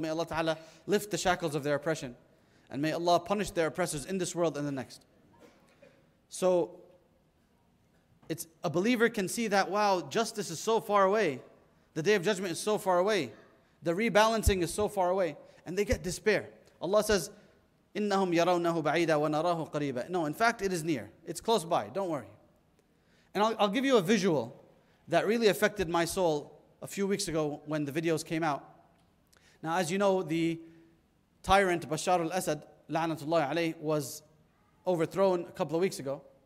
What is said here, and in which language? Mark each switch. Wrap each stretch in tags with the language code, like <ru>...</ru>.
<en>May Allah Ta'ala lift the shackles of their oppression and may Allah punish their oppressors in this world and the next. So it's a believer can see that, wow, justice is so far away. The Day of Judgment is so far away. The rebalancing is so far away. And they get despair.</en> <ar>Allah says, إِنَّهُمْ يَرَوْنَهُ بَعِيدًا وَنَرَاهُ قَرِيبًا.</ar> <en>No, in fact, it is near. It's close by. Don't worry. And I'll give you a visual that really affected my soul a few weeks ago when the videos came out. Now, as you know, the tyrant Bashar al-Assad, la'anatullahi alayh, was overthrown a couple of weeks ago.</en>